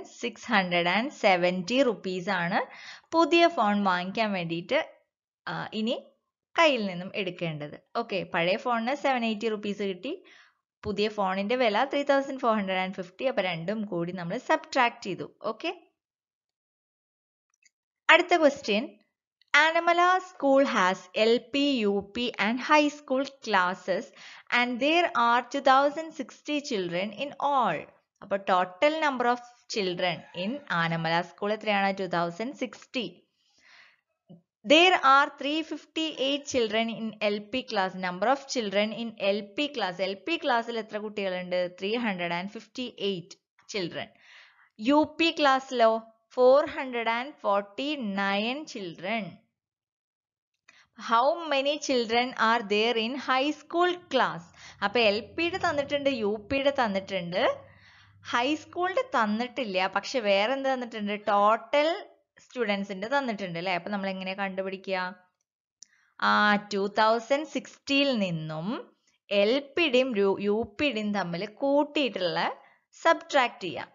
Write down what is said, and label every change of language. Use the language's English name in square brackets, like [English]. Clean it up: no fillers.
[Malayalam] 2670 rupees ആണ് പുതിയ phone വാങ്ങിക്കാൻ വേണ്ടിയിട്ട് ഇനി കയ്യിൽ നിന്നും എടുക്കേണ്ടത്. ഓക്കെ, പഴയ ഫോണിന് 780 റുപ്പീസ് കിട്ടി, പുതിയ ഫോണിന്റെ വില 3450. അപ്പൊ രണ്ടും കൂടി നമ്മൾ സബ്ട്രാക്ട് ചെയ്തു. ഓക്കെ, അടുത്ത question. [English] Animala school has LP, UP and high school classes and there are 2060 children in all. [Malayalam] Appo [English] total number of children in Animala school [Malayalam] ethrayana? [English] 2060. There are 358 children in LP class. Number of children in LP class, LP class [Malayalam] il ethra kuttigal undu? [English] 358 children. UP class lo 449 children. How many children are there in high school class? [Malayalam] അപ്പൊ L പിയുടെ തന്നിട്ടുണ്ട്, U പിയുടെ തന്നിട്ടുണ്ട്, ഹൈസ്കൂളിന്റെ തന്നിട്ടില്ല. പക്ഷെ വേറെ എന്ത് തന്നിട്ടുണ്ട്? ടോട്ടൽ സ്റ്റുഡൻസിന്റെ തന്നിട്ടുണ്ട് അല്ലെ. അപ്പൊ നമ്മൾ എങ്ങനെയാ കണ്ടുപിടിക്കുക? ടൂ തൗസൻഡ് സിക്സ്റ്റിയിൽ നിന്നും എൽ പിയുടെയും യു പിയുടെയും തമ്മിൽ കൂട്ടിയിട്ടുള്ള സബ്ട്രാക്ട് ചെയ്യുക.